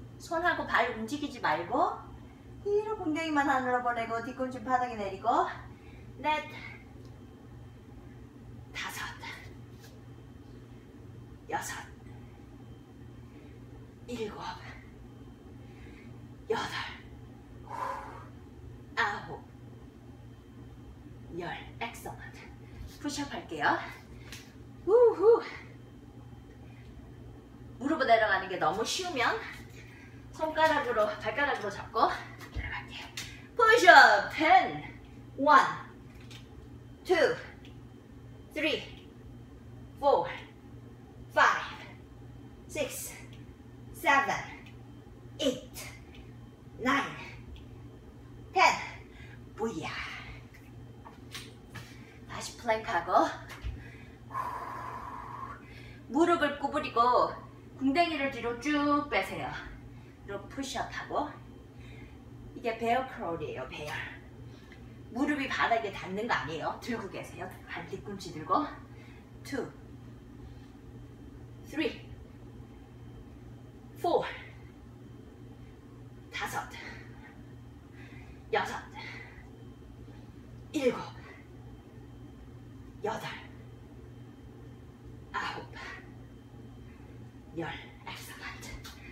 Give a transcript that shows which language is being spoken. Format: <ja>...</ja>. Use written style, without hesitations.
<ko>손하고 발 움직이지 말고 뒤로 궁뎅이만 하늘어 보내고 뒤꿈치 바닥에 내리고 넷 다섯 여섯 일곱 여덟 열. Excellent. 푸시업 할게요. 우후. 무릎을 내려가는 게 너무 쉬우면 손가락으로, 발가락으로 잡고 내려갈게요. 푸시업 10, 9,</ko> <en>One, two, three, four, five, six, seven, eight, nine, ten. Booyah.</en> <ko>다시 플랭크 하고 무릎을 구부리고 궁뎅이를 뒤로 쭉 빼세요. 그리고 푸시업 하고 이게 베어 크롤이에요. 베어. 무릎이 바닥에 닿는 거 아니에요. 들고 계세요. 발 뒤꿈치 들고 2 3 4 다섯 여섯 일곱 여덟 아홉 열 Excellent.</ko>